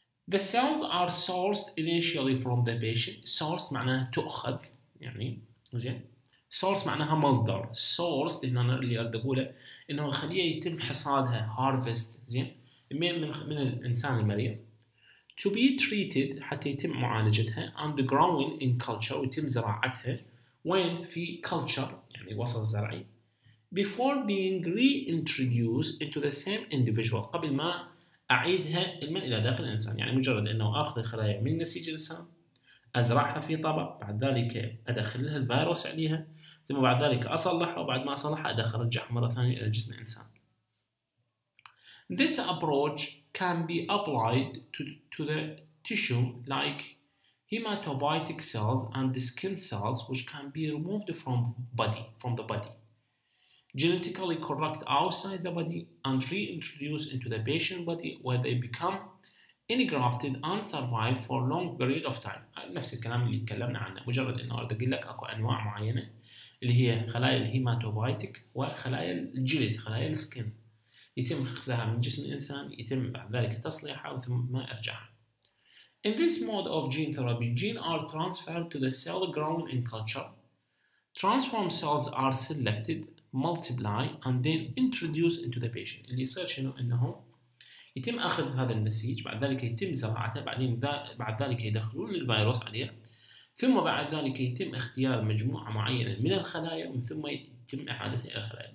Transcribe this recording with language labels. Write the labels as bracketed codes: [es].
[en] The cells are sourced initially from the patient. [ar] Sourced معناها تؤخذ، يعني زين. Source معناها مصدر. Sourced هنا اللي أريد أقوله إنه الخلية يتم حصادها، harvest زين، من الإنسان المريض. [en] To be treated حتى يتم معالجتها. And growing in culture ويتم زراعتها. [ar] وين؟ في culture يعني وسط زرعي. Before being reintroduced into the same individual، قبل ما أعيدها من إلى داخل الإنسان، يعني مجرد أنه أخذ الخلايا من نسيج الإنسان أزرعها في طبق، بعد ذلك أدخل لها الفيروس عليها، ثم بعد ذلك أصلحها، وبعد ما أصلحها أدخل رجعها مرة ثانية إلى جسم الإنسان. [en] This approach can be applied to the tissue like hematopoietic cells and skin cells which can be removed from the body. Genetically correct outside the body and reintroduce into the patient body where they become engrafted and survive for long period of time. [ar] نفس الكلام اللي تكلمنا عنه، مجرد انه اريد اقول لك اكو انواع معينه اللي هي خلايا الهيماتوبايتك وخلايا الجلد، خلايا السكن، يتم اخذها من جسم الانسان، يتم بعد ذلك تصليحها ثم ارجعها. [en] In this mode of gene therapy, genes are transferred to the cell grown in culture. Transformed cells are selected, multiply and then introduce into the patient. [ar] اللي يصير شنو؟ انه يتم اخذ هذا النسيج، بعد ذلك يتم زراعته، بعدين بعد ذلك يدخلون الفيروس عليه، ثم بعد ذلك يتم اختيار مجموعه معينه من الخلايا، ومن ثم يتم اعادتها الى الخلايا.